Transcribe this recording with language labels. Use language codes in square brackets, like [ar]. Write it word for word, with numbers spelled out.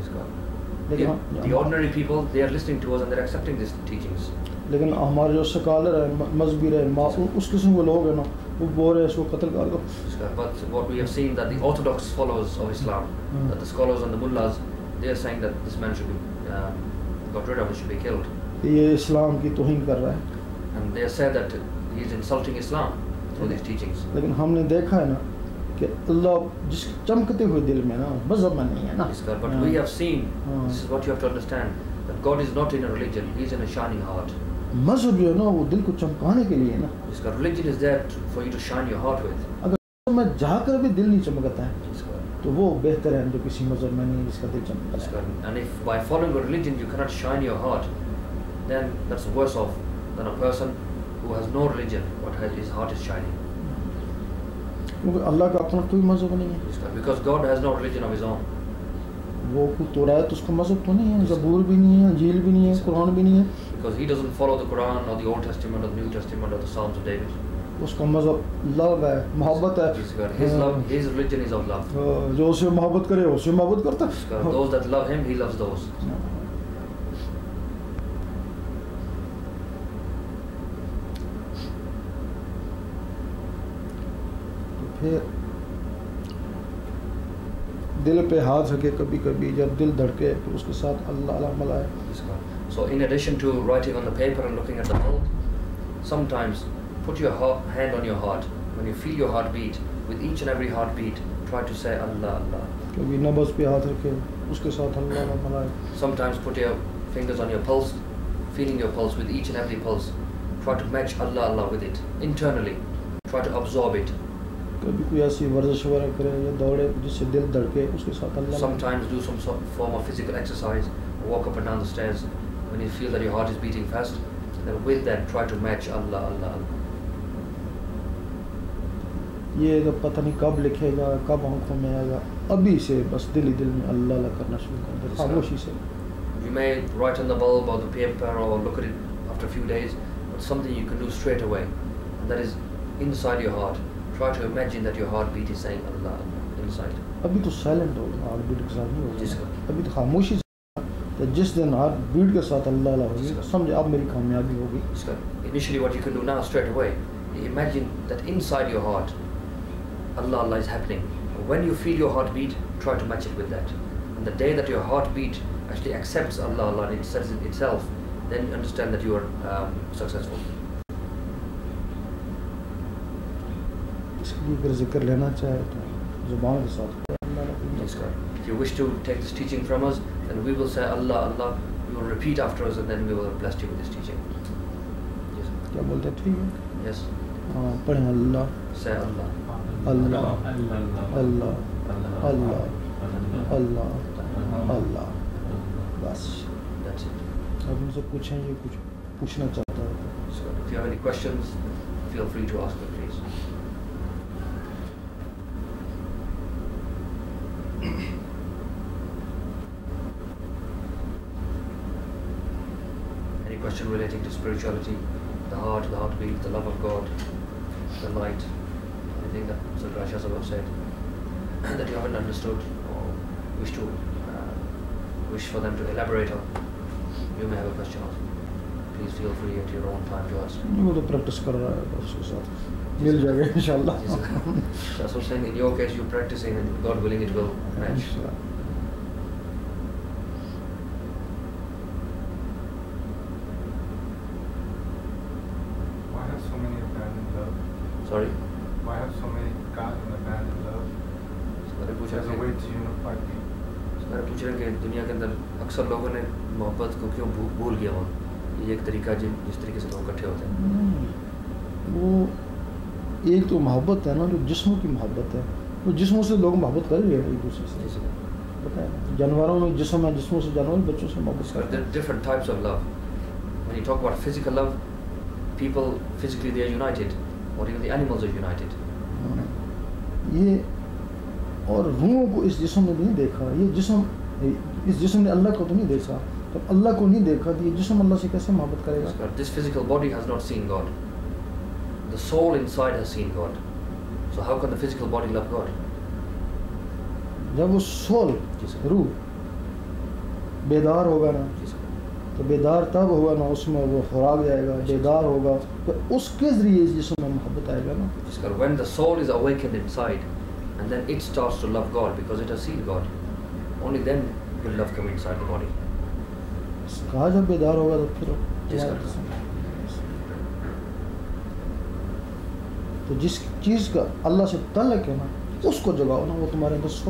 [ur] Jiska. لیکن [en] The, the [ur] ہم- [en] ordinary people, they are listening to us and they're accepting these teachings. [ur] لیکن ہمارے جو سکالر ہیں، م- مذہبی رہے ما- اس قسم کے لوگ ہیں نا، وہ بول رہے ہیں اس کو قتل کر دو. [en] But what we have seen that the orthodox followers of Islam, Mm. that the scholars and the mullahs, they are saying that this man should be um, got rid of and should be killed. [ur] یہ اسلام کی توہین کر رہا ہے. [en] And they say that he is insulting Islam through these teachings. [ur] لیکن ہم نے دیکھا ہے نا کہ اللہ جس کے چمکتے ہوئے دل میں نا مذہب میں نہیں ہے نا. [en] Yes, God. But we have seen, Mm. this is what you have to understand, that God is not in a religion, He is in a shining heart. [ur] مذہب جو ہے نا وہ دل کو چمکانے کے لیے ہے نا. [en] Yes, God. Religion is there to, for you to shine your heart with. [ur] تو میں جا کر بھی دل نہیں چمکتا ہے [en] Yes, God. [ur] تو وہ بہتر ہے جو کسی مذہب میں نہیں جس کا دل چمکتا [en] Yes, [ur] ہے. [en] God. And if by following a religion you cannot shine your heart, then that's worse off than a person who who has no religion but has, his heart is shining. [ur] کیونکہ اللہ کا اپنا کوئی مذہب نہیں ہے، [en] It's not- Because God has no religion of his own. [ur] وہ کوئی تورات اس کا مذہب تو نہیں ہے، زبور بھی نہیں ہے، انجیل بھی نہیں ہے، قرآن بھی نہیں ہے، [en] Because he doesn't follow the Quran or the Old Testament or the New Testament or the Psalms of David. [ur] اس کا مذہب لو ہے، محبت ہے۔ [en] It's God. His love, his religion is of love. [ur] آہ، جو اسے محبت کرے اسے محبت کرتا [en] It's [ur] ہے۔ [en] God. Those that love him, he loves those. [ur] تو پھر دل پہ ہاتھ رکھے، کبھی کبھی جب دل دھڑکے پھر اس کے ساتھ اللہ اللہ ملائے۔ [en] It's God. So in addition to writing on the paper and looking at the mouth, sometimes put your heart, hand on your heart. When you feel your heartbeat, with each and every heartbeat, try to say Allah, Allah. [ur] کبھی نبض پہ ہاتھ رکھے اس کے ساتھ اللہ اللہ ملائے۔ [en] Sometimes put your fingers on your pulse, feeling your pulse with each and every pulse. Try to match Allah, Allah with it internally. Try to absorb it. [ur] کبھی کوئی ایسی ورزش وغیرہ کرے یا دوڑے جس سے دل دھڑکے اس کے ساتھ اللہ ملائے۔ [en] Sometimes do some sort- form of physical exercise, walk up and down the stairs. When you feel that your heart is beating fast, then with that try to match Allah, Allah, Allah. [ur] یہ تو پتہ نہیں کب لکھے گا، کب آنکھوں میں آئے گا، ابھی سے بس دل ہی دل میں اللہ اللہ کرنا شروع کر دے، خاموشی سے۔ [en] You may write on the bulb or the paper or look at it after a few days, but something you can do straight away, and that is inside your heart. Try to imagine that your heartbeat is saying Allah, Allah inside. [ur] ابھی تو silent ہو گیا، heart beat کے ساتھ نہیں جی سر۔ ہوگا، ابھی تو خاموشی سے۔ تو جس دن ہارٹ بیٹ کے ساتھ اللہ اللہ جی ہوگی سر۔ سمجھ اب میری کامیابی ہوگی۔ [en] It's good. Initially, what you can do now straight away, you imagine that inside your heart, Allah, Allah is happening. When you feel your heartbeat, try to match it with that. And the day that your heartbeat actually accepts Allah, Allah, and it says it itself, then you understand that you are um, successful. [ur] اس لیے اگر ذکر لینا چاہے تو زبان کے ساتھ اللہ [en] Yes, [ur] Allah. [en] God. If you wish to take this teaching from us, then we will say Allah, Allah. You will repeat after us, and then we will have blessed you with this teaching. Yes. [ur] کیا بولتے ہیں؟ ٹھیک ہے، [en] Yes. [ur] ہاں پڑھیں اللہ [en] Say Allah. [ur] اللہ، [en] Allah. [ur] اللہ Allah Allah اللہ۔ بس [en] That's it. [ur] اب ان سے پوچھیں یہ کچھ پوچھنا چاہتا ہے۔ [en] Yes, God. If you have any questions, feel free to ask them, please. Any question relating to spirituality, the heart, the heartbeat, the love of God, the light, anything that Sadhguru Shah Sahib said that you haven't understood or wish to uh, wish for them to elaborate on, you may have a question also. Please feel free at your own time to ask. [ur] وہ تو practice کر رہا ہے، بس اس کے ساتھ مل جائے گا ان شاء اللہ۔ [en] Yes, sir. That's what I'm saying. In your case, you're practicing, and God willing, it will match. Why have so many abandoned love? Sorry. Why have so many gotten abandoned love? [ur] سارے [en] Which [ur] پوچھا [en] has a way [ur] کہ [en] to unify people. [ur] سارے پوچھ رہے ہیں کہ دنیا کے اندر اکثر لوگوں نے محبت کو کیوں بھو- بھول گیا ہوا؟ یہ ایک طریقہ جن جس طریقے سے لوگ اکٹھے ہوتے ہیں. وہ ایک تو محبت ہے نا، جو جسموں کی محبت ہے، وہ جسموں سے لوگ محبت کر رہے ہیں ایک دوسرے سے، [en] Yes, sir. [ur] پتہ ہے نا؟ جانوروں میں جسم ہے، جسموں سے جانور بچوں سے محبت [en] So [ur] کرتے [en] there [ur] ہیں۔ [en] are different types of love. When you talk about physical love, people physically they are united, or even the animals are united. [ur] ہاں، یہ اور روح کو اس جسم نے نہیں دیکھا، یہ جسم اس جسم نے اللہ کو تو نہیں دیکھا، تو اللہ کو نہیں دیکھا تو یہ جسم اللہ سے کیسے محبت کرے گا؟ [en] This physical body has not seen God. The soul inside has seen God. So how can the physical body love God? [ur] جب وہ سول [en] Yes, sir. [ur] روح بیدار ہوگا نا، [en] Yes, sir. [ur] تو بیدار تب ہوگا نا، اس میں وہ خوراک جائے گا، بیدار ہوگا تو اس کے ذریعے اس جسم میں محبت آئے گا نا۔ [en] Just kind of when the soul is awakened inside, and then it starts to love God because it has seen God. Only then will love come inside the body. [ur] اس کا جب بیدار ہوگا تو پھر جس کا- تو جس چیز کا اللہ سے تعلق ہے نا، اس کو جگاؤ نا، وہ تمہارے اندر سو